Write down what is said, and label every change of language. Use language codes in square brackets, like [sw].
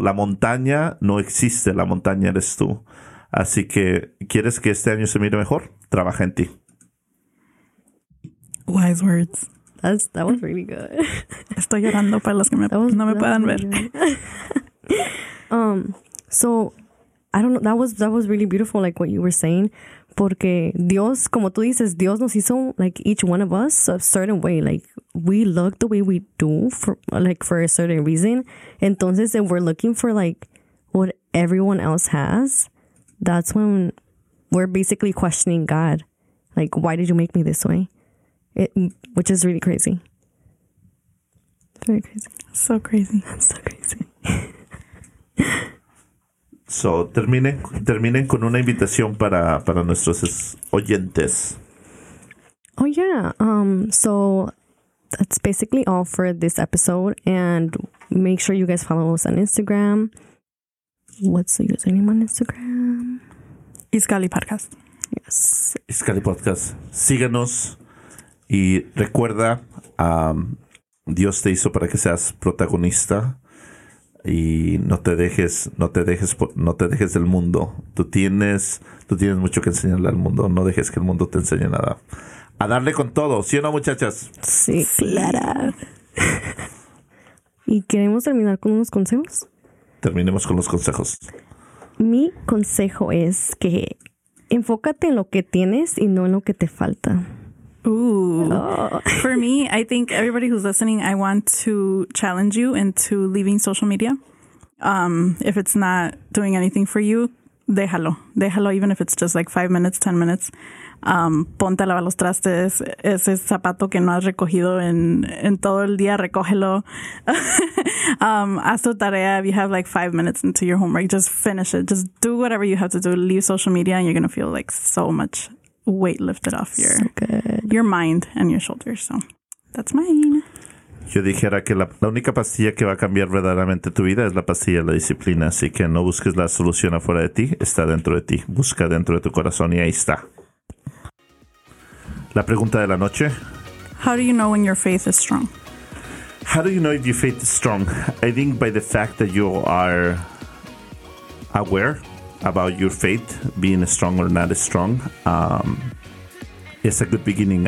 [es] La montaña no existe, la montaña eres tú. Así que, ¿quieres que este año se mire mejor? Trabaja en ti. [en] Wise words. That was really good. [es] Estoy llorando para los que no me puedan ver. [en] So, I don't know. That was really beautiful, like what you were saying. [es] Porque Dios, como tú dices, Dios nos hizo, [en] like, each one of us a certain way. Like, we look the way we do for a certain reason. Entonces, if we're looking for, like, what everyone else has, that's when we're basically questioning God. Like, why did you make me this way? Which is really crazy. Very crazy. So crazy. So crazy. [es] So, terminen con una invitación para nuestros oyentes. [en] Oh, yeah. So, that's basically all for this episode. And make sure you guys follow us on Instagram. What's the username on Instagram? Izcali Podcast. Yes. [es] Izcali Podcast. Síganos. Y recuerda, Dios te hizo para que seas protagonista. Y no te dejes del mundo. Tú tienes mucho que enseñarle al mundo. No dejes que el mundo te enseñe nada. A darle con todo, ¿sí o no, muchachas? Sí, claro. ¿Y queremos terminar con unos consejos? Terminemos con los consejos. Mi consejo es que enfócate en lo que tienes y no en lo que te falta. Ooh. Oh. [en] For me, I think everybody who's listening, I want to challenge you into leaving social media. If it's not doing anything for you, [es] déjalo. Déjalo, [en] even if it's just like 5 minutes, 10 minutes. [es] Ponte a lavar los trastes. Ese zapato que no has recogido en todo el día, recógelo. haz tu tarea. [en] If you have like 5 minutes into your homework, just finish it. Just do whatever you have to do. Leave social media and you're going to feel like so much weight lifted off your mind and your shoulders. So that's mine. [es] Yo dijera que la única pastilla que va a cambiar verdaderamente tu vida es la pastilla de la disciplina. Así que no busques la solución afuera de ti, está dentro de ti. Busca dentro de tu corazón y ahí está. La pregunta de la noche. [en] How do you know when your faith is strong? How do you know if your faith is strong? I think by the fact that you are aware about your faith, being strong or not strong, it's a good beginning.